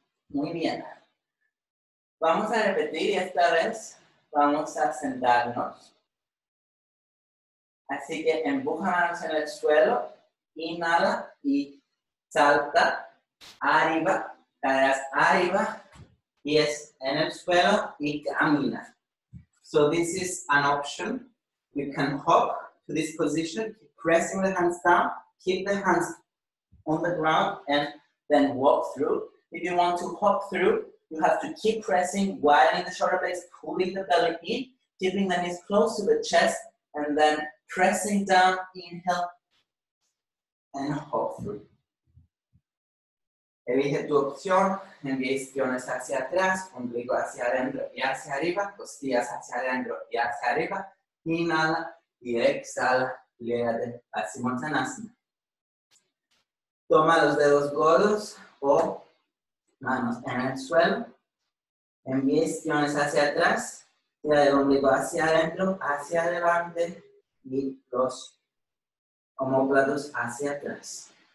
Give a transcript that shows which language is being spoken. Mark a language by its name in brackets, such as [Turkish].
[Spanish] Muy bien. Vamos a repetir y esta vez vamos a sentarnos. Así que empuja manos en el suelo, inhala y salta arriba, caderas arriba, pies en el suelo y camina. [English] So this is an option. You can hop to this position, keep pressing the hands down, keep the hands on the ground and then walk through. If you want to hop through, you have to keep pressing, widening the shoulder blades, pulling the belly in, keeping the knees close to the chest and then pressing down, inhale, and hop through. [Spanish] Elige tu opción, envía isquiones hacia atrás, ombligo hacia adentro y hacia arriba, costillas hacia adentro y hacia arriba, inhala y exhala, llega de Paschimottanasana. Toma los dedos gordos o manos en el suelo, envía isquiones hacia atrás, tira el ombligo hacia adentro, hacia adelante, y los homóplatos hacia atrás.